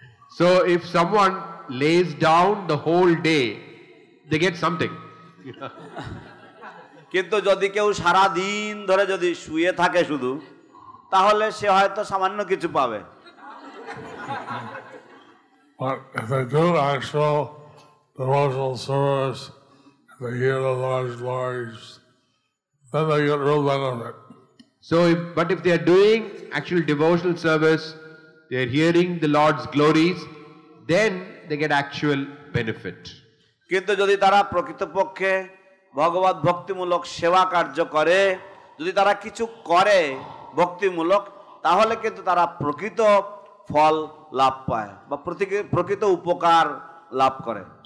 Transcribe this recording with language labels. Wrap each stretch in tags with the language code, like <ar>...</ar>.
<en>So if someone lays down the whole day, they get something.</en> <bn>কিন্তু যদি কেউ সারা দিন ধরে যদি শুয়ে থাকে শুধু তাহলে সে হয়তো সামান্য কিছু পাবে।</bn> <en>But if they do actual devotional service, they hear the Lord's voice, then they get real benefit. So, but if they are doing actual devotional service, they are hearing the Lord's glories, then they get actual benefit.</en> <bn>কিন্তু যদি তারা প্রকৃতপক্ষে ভগবত ভক্তিমূলক সেবা কার্য করে যদি তারা কিছু করে ভক্তিমূলক তাহলে কিন্তু তারা প্রকৃত ফল লাভ পায় বা প্রকৃত উপকার লাভ করে।</bn>